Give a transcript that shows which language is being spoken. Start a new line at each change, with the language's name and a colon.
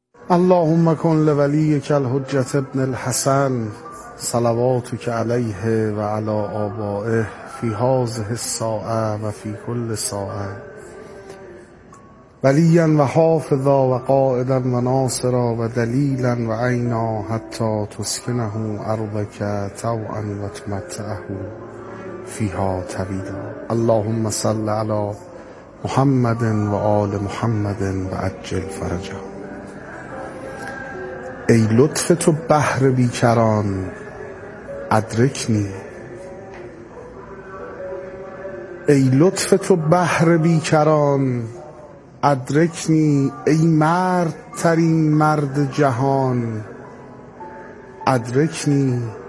Arabic: اللهم کن لولی کل حجت ابن الحسن صلواتو که علیه و علی آبائه فی هذه الساعه و فی کل ساعه، ولیاً و حافظا و قائداً و ناصرا و دلیلاً و عینا، حتی تسکنه ارضک طوعاً و تمتعه فیها طویلا. اللهم صل علی محمد و آل محمد و عجل فرجا.
Persian: ای لطف تو بحر بیکران، ادرکنی. ای لطف تو بحر بیکران، ادرکنی. ای مرد ترین مرد جهان، ادرکنی.